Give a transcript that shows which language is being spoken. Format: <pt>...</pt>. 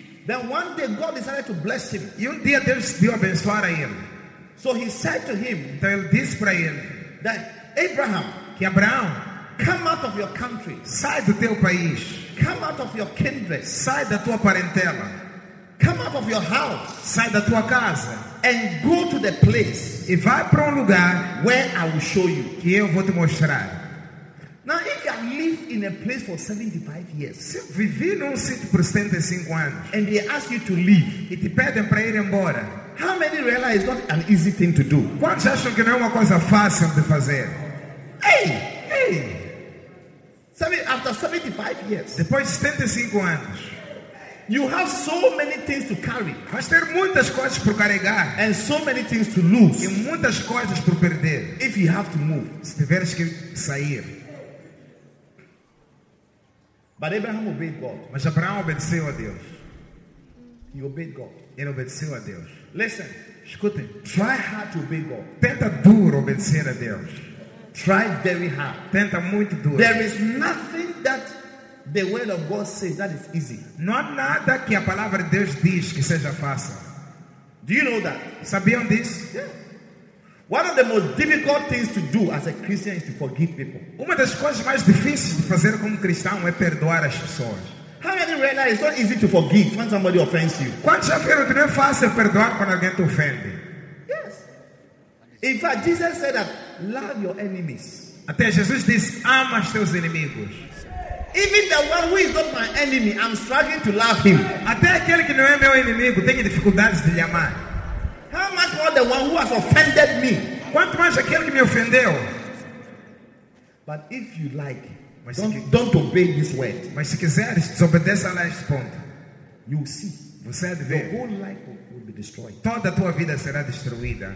<en>Then one day God decided to bless him.</en> <pt>E dia Deus deu a abençoar a ele.</pt> <en>So he said to him,</en> <pt>então ele disse para ele,</pt> <en>that Abraham,</en> <pt>que Abraão,</pt> <en>come out of your country.</en> <pt>Sai do teu país.</pt> <en>Come out of your kindred.</en> <pt>Sai da tua parentela.</pt> <en>Come out of your house.</en> <pt>Sai da tua casa.</pt> <en>And go to the place.</en> <pt>E vai para lugar</pt> <en>where I will show you.</en> <pt>Que eu vou te mostrar.</pt> <en>Now, if you have lived in a place for 75 years,</en> <pt>se vivi num sítio por 75 anos,</pt> <en>and they ask you to leave,</en> <pt>e te pedem para ir embora,</pt> <en>how many realize it's not an easy thing to do?</en> <pt>Quantos acham que não é uma coisa fácil de fazer? Hey, hey!</pt> <en>After 75 years,</en> <pt>depois de 75 anos,</pt> <en>you have so many things to carry.</en> <pt>Vais ter muitas coisas por carregar.</pt> <en>And so many things to lose.</en> <pt>E muitas coisas por perder.</pt> <en>If you have to move.</en> <pt>Se tiveres que sair.</pt> <en>But Abraham obeyed God.</en> <pt>Mas Abraão obedeceu a Deus.</pt> <en>He obeyed God.</en> <pt>Ele obedeceu a Deus.</pt> <en>Listen.</en> <pt>Escutem.</pt> <en>Try hard to obey God.</en> <pt>Tenta duro obedecer a Deus.</pt> <en>Try very hard.</en> <pt>Tenta muito duro.</pt> <en>There is nothing that the word of God says that is easy.</en> <pt>Não há nada que a palavra de Deus diz que seja fácil.</pt> <en>Do you know that?</en> <pt>Sabiam disso?</pt> <en>Yeah. One of the most difficult things to do as a Christian is to forgive people.</en> <pt>Uma das coisas mais difíceis de fazer como cristão é perdoar as pessoas.</pt> <en>How many didn't realize it's not easy to forgive when somebody offends you.</en> <pt>Quantos já viram que não é fácil perdoar quando alguém te ofende?</pt> <en>Yes. In fact, Jesus said that love your enemies.</en> <pt>Até Jesus disse, ama os teus inimigos.</pt> <en>Even the one who is not my enemy, I'm struggling to love him.</en> <pt>Até aquele que não é meu inimigo, tenho dificuldades de lhe amar.</pt> <en>How much more the one who has offended me?</en> <pt>Quanto mais aquele que me ofendeu?</pt> <en>But if you like, don't obey this word.</en> <pt>Mas se quiseres, desobedeça a este ponto.</pt> <en>You will see.</en> <pt>Você há de ver.</pt> <en>Your whole life will be destroyed.</en> <pt>Toda a tua vida será destruída.</pt>